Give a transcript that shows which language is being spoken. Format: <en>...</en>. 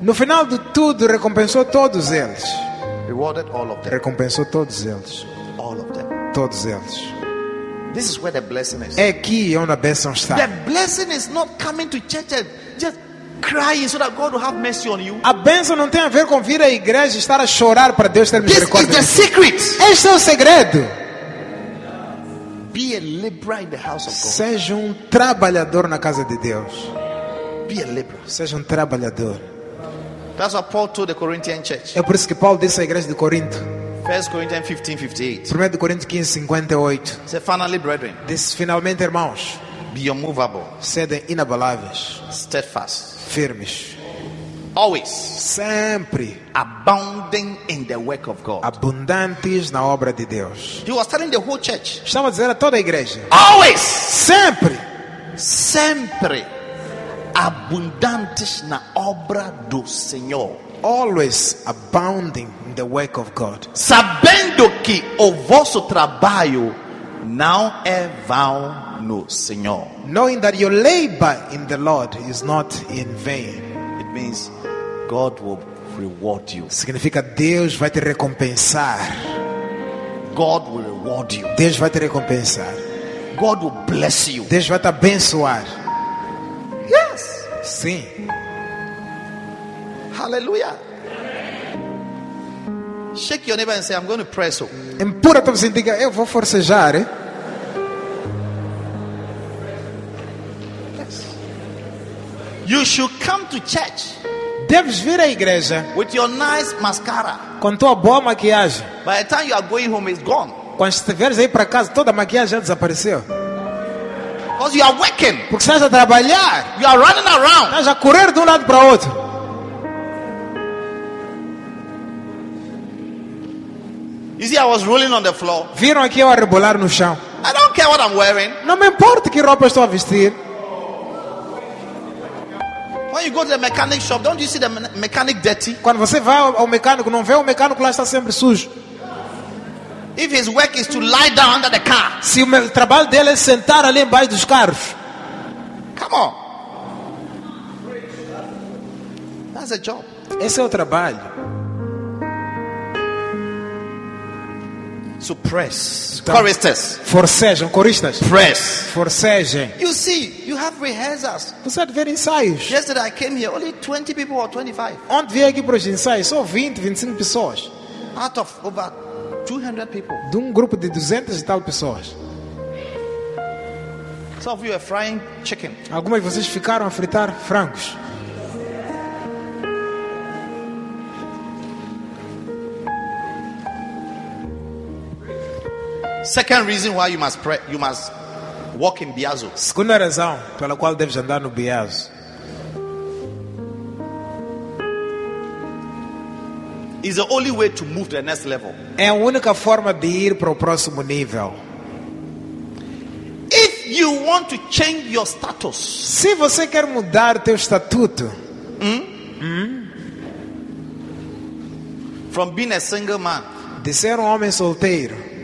<pt>No final de tudo, recompensou todos eles.</pt> <en>Rewarded all of them.</en> <pt>Recompensou todos eles.</pt> <en>All of them.</en> <pt>Todos eles.</pt> <en>This is where the blessing is.</en> <pt>É aqui onde a bênção está.</pt> <en>The blessing is not coming to church and just crying so that God will have mercy on you.</en> <pt>A bênção não tem a ver com vir à igreja e estar a chorar para Deus ter misericórdia.</pt> <en>This is the secret.</en> <pt>Este é o segredo.</pt> <en>Be a laborer in the house of God.</en> <pt>Seja trabalhador na casa de Deus.</pt> <en>Be a laborer.</en> <pt>Seja trabalhador.</pt> <en>That's what Paul told the Corinthian church.</en> <pt>É por isso que Paulo disse à igreja de Corinto.</pt> <en>1 Corinthians 15:58.</en> <pt>1 Coríntios 15:58.</pt> <en>Say finally, brethren.</en> <pt>Diz finalmente, irmãos.</pt> <en>Be immovable.</en> <pt>Sedem inabaláveis.</pt> <en>Steadfast.</en> <pt>Firmes.</pt> <en>Always.</en> <pt>Sempre.</pt> <en>Abounding in the work of God.</en> <pt>Abundantes na obra de Deus.</pt> <en>He was telling the whole church.</en> <pt>Estava a dizer a toda a igreja.</pt> <en>Always.</en> <pt>Sempre. Sempre. Abundantes na obra do Senhor.</pt> <en>Always abounding in the work of God.</en> <pt>Sabendo que o vosso trabalho não é vão no Senhor.</pt> <en>Knowing that your labor in the Lord is not in vain. It means God will reward you.</en> <pt>Significa Deus vai te recompensar.</pt> <en>God will reward you.</en> <pt>Deus vai te recompensar.</pt> <en>God will bless you.</en> <pt>Deus vai te abençoar.</pt> <en>Yes.</en> <pt>Sim.</pt> <en>Hallelujah. Shake your neighbor and say, I'm going to press up.</en> <pt>Empurra tua vizinha e diga, eu vou forcejar.</pt> <en>Yes. You should come to church.</en> <pt>deves vir à igreja</pt> <en>with your nice mascara.</en> <pt>Com tua boa maquiagem.</pt> <en>By the time you are going home, it's gone.</en> <pt>Quando estiveres aí para casa, toda a maquiagem já desapareceu.</pt> <en>Because you are working.</en> <pt>Porque estás a trabalhar.</pt> <en>You are running around.</en> <pt>Estás a correr de lado para outro.</pt> <en>You see, I was rolling on the floor.</en> <pt>Viram aqui eu a rebolar no chão.</pt> <en>I don't care what I'm wearing.</en> <pt>Não me importa que roupa estou a vestir.</pt> <en>When you go to the mechanic shop, don't you see the mechanic dirty?</en> <pt>Quando você vai ao mecânico, não vê o mecânico lá está sempre sujo?</pt> <en>If his work is to lie down under the car.</en> <pt>Se o meu trabalho dele é sentar ali embaixo dos carros.</pt> <en>Come on. That's a job.</en> <pt>Esse é o trabalho.</pt> <en>So press.</en> <pt>Então,</pt> <en>choristers.</en> <pt>Forcejam, coristas.</pt> <en>Press.</en> <pt>Forcejam.</pt> <en>You see, you have rehearsals.</en> <pt>Você vê ensaios.</pt> <en>Yesterday I came here, only 20 people or 25.</en> <pt>Ontem vim aqui para os ensaios, só 20, 25 pessoas.</pt> <en>Out of over 200 people.</en> <pt>De grupo de 200 e tal pessoas.</pt> <en>Some of you are frying chicken.</en> <pt>Algumas de vocês ficaram a fritar frangos.</pt> <en>Second reason why you must pray, you must walk in Biazo.</en> <pt>Segunda razão pela qual deves andar no Biazo.</pt> <en>Is the only way to move to the next level.</en> <pt>É a única forma de ir para o próximo nível.</pt> <en>If you want to change your status.</en> <pt>Se você quer mudar teu estatuto.</pt> <en>From being a single man.</en> <pt>De ser um homem solteiro.</pt>